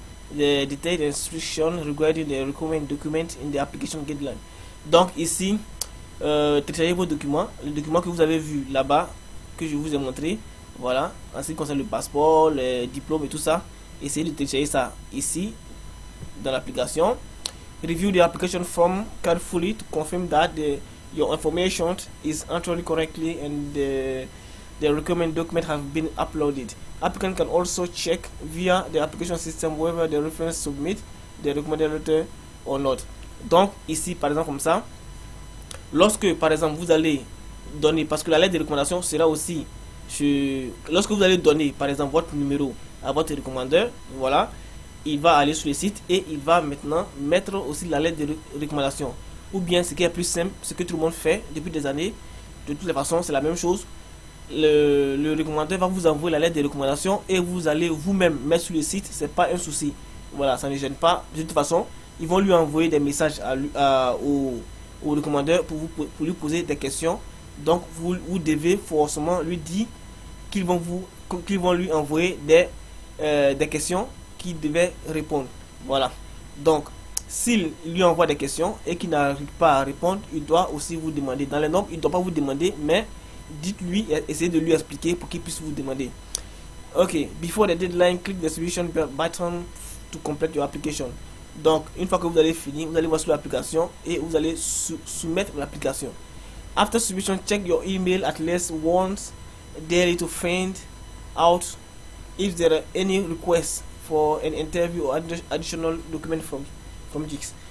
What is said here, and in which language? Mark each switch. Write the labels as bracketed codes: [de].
[en] The detailed instructions regarding the requirement document in the application guideline. [fr] Donc ici, téléchargez vos documents, le document que vous avez vu là-bas, que je vous ai montré, voilà, en ce qui concerne le passeport, le diplôme et tout ça, essayez de télécharger ça ici, dans l'application. [en] Review the application form carefully to confirm that your information is entered correctly and the requirement document have been uploaded. Applicant can also check via the application system whether the reference submit the recommended letter or not. [fr] Donc ici par exemple comme ça, lorsque par exemple vous allez donner, parce que la lettre de recommandation sera aussi lorsque vous allez donner par exemple votre numéro à votre recommandeur, voilà, il va aller sur le site et il va maintenant mettre aussi la lettre de recommandation. Ou bien ce qui est plus simple, ce que tout le monde fait depuis des années, de toutes les façons c'est la même chose. Le recommandeur va vous envoyer la lettre de recommandation et vous allez vous-même mettre sur le site, c'est pas un souci, voilà, ça ne gêne pas. De toute façon, ils vont lui envoyer des messages au recommandeur pour lui poser des questions. Donc vous devez forcément lui dire qu'ils vont lui envoyer des questions qu'il devait répondre, voilà. Donc s'il lui envoie des questions et qu'il n'arrive pas à répondre, il doit aussi vous demander. Dans les normes, il ne doit pas vous demander, mais dites-lui, essayez de lui expliquer pour qu'il puisse vous demander. [en] Ok, before the deadline, click the submission button to complete your application. [fr] Donc, une fois que vous allez finir, vous allez voir sur l'application et vous allez soumettre l'application. [en] After submission, check your email at least once daily to find out if there are any requests for an interview or additional document from Jix.